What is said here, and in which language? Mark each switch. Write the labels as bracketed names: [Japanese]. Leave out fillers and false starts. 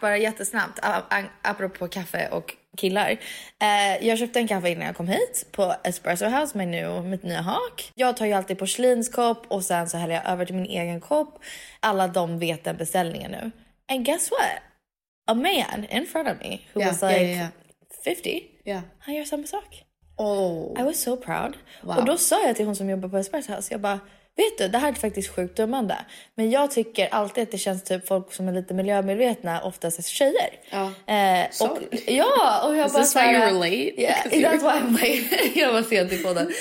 [Swedish] Bara jättesnabbt, apropå kaffe och killar. Jag köpte en kaffe innan jag kom hit på Espresso House med mitt nya hak. Jag tar ju alltid porslinskopp och sen så häller jag över till min egen kopp. Alla de vet den beställningen nu. [English] And guess what? a man in front of me who was like 50. Yeah. [Swedish] Han gör samma sak. [English] Oh. I was so proud. Wow. [Swedish] Och då sa jag till hon som jobbar på Esparts House, jag bara, vet du, det här är faktiskt sjukt dömande. Men jag tycker alltid att det känns typ folk som är lite miljömedvetna, oftast är tjejer. Ja, och jag bara såhär... [English] Is this why you relate? Yeah, that's why I'm late. [Swedish] Jag var sent i podden.